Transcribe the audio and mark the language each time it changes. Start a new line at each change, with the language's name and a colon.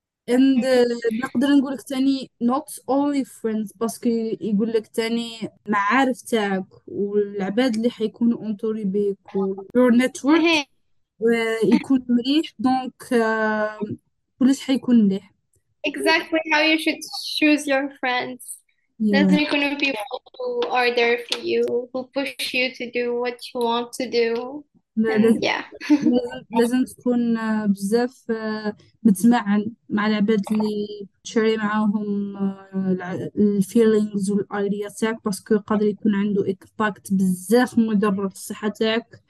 Arabic: And نقدر نقول لك تاني
English: not only friends،
Arabic: باسكو يقول لك تاني معارف تاعك والعباد اللي حيكونوا اونتوري بيك و
English: your network
Arabic: ويكون مليح، دونك كلش حيكون مليح.
English: Exactly how you should choose your friends. Yeah. Those are going to be people who are there for you, who push you to do what you want to do.
Arabic: لا
English: And
Arabic: لازم
English: yeah.
Arabic: لازم تكون بزاف متمعن مع العباد اللي تشاري معاهم الفيلينغز والايديا تاعك، باسكو قادر يكون عنده امباكت بزاف مضر في الصحة تاعك.